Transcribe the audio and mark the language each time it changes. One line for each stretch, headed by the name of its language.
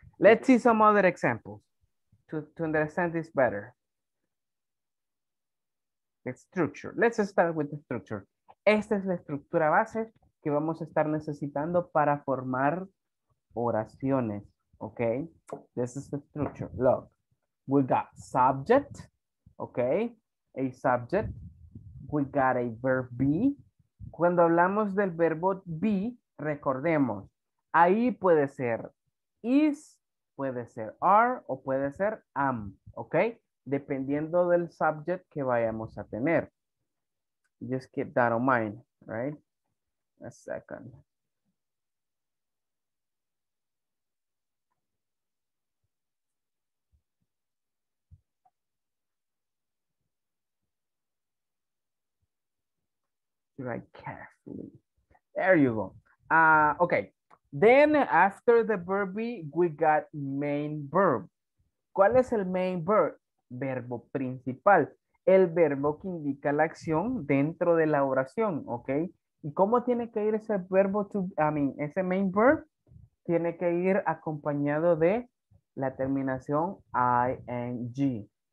English: Let's see some other examples to understand this better. The structure. Let's start with the structure.
Spanish: Esta es la estructura base que vamos a estar necesitando para formar oraciones.
English: Okay? This is the structure. Look. We got subject. Okay? A subject. We got a verb be.
Spanish: Cuando hablamos del verbo be, recordemos, ahí puede ser is, puede ser are, o puede ser am. ¿Ok? Dependiendo del subject que vayamos a tener.
English: Just keep that in mind, right? A second. Write carefully. There you go. Okay. Then after the verb be, we got main verb.
Spanish: ¿Cuál es el main verb? Verbo principal. El verbo que indica la acción dentro de la oración. ¿Ok? ¿Y cómo tiene que ir ese verbo to,
English: I mean,
Spanish: ese main verb? Tiene que ir acompañado de la terminación ing.